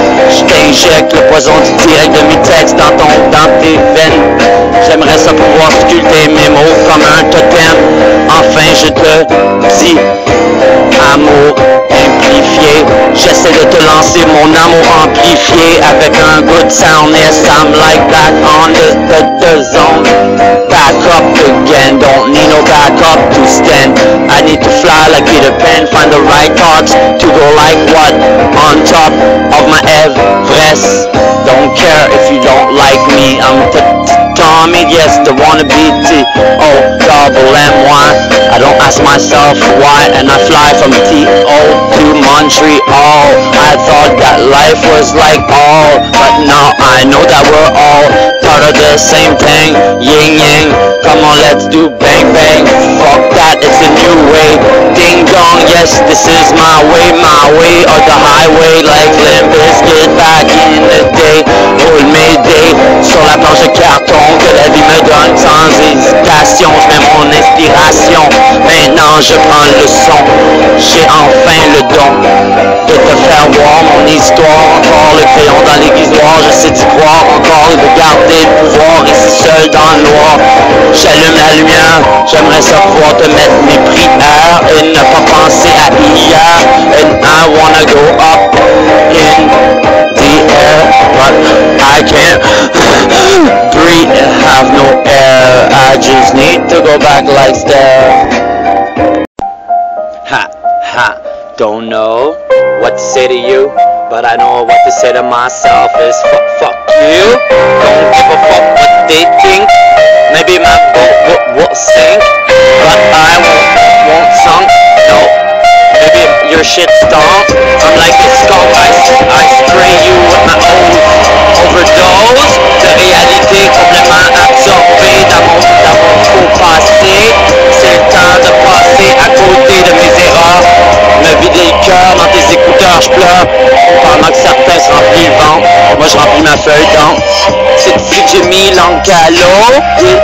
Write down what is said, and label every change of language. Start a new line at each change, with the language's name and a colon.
French: J't'injecte le poison du direct de mes textes dans tes veines. J'aimerais ça pouvoir sculpter mes mots comme un totem. Enfin je te dis amour amplifié. J'essaie de te lancer mon amour amplifié avec un
English: good sound. Yes, I'm like that on the zone. Back up again, don't need no backup to stand. I need to fly like Peter Pan, find the right thoughts to go like what? On top of my Everest. Don't care if you don't like me, I'm the Tommy, yes, the wannabe T-O-double-M-Y. I don't ask myself why, and I fly from T-O to Montreal. I thought that life was like all, but now I know that we're all part of the same thing. Ying yang, come on, let's do bang bang. Fuck that, it's a new way. Ding dong, yes, this is my way or the highway. Like Limp Bizkit back in the day.
French: Roule mes dés sur la planche de carton que la vie me donne sans hésitation. Je mets mon inspiration, maintenant je prends le son. J'ai enfin le don de te faire voir mon histoire. Encore le crayon dans l'aiguisoir, je sais d'y croire. Encore de garder le pouvoir ici seul dans le noir. J'allume la lumière, j'aimerais ça pouvoir te mettre mes prières et ne pas penser à hier.
English: And I wanna go up in the air, but I can't breathe and have no air. I just need to go back like stairs. Ha, don't know what to say to you, but I know what to say to myself is fuck you. Don't give a fuck what they think. Maybe my boat will sink, but I won't sunk. No, maybe your shit stunk. I'm like a skunk, I spray you with my own overdose.
French: De réalité complètement absorbée dans mon faux passé. C'est le temps de passer à côté de mes erreurs. Me vider le cœur dans tes écouteurs, j'pleure. Pendant que certains se remplissent le ventre, moi j'remplis ma feuille d'encre. C'est ici que j'ai mis l'encre à l'eau.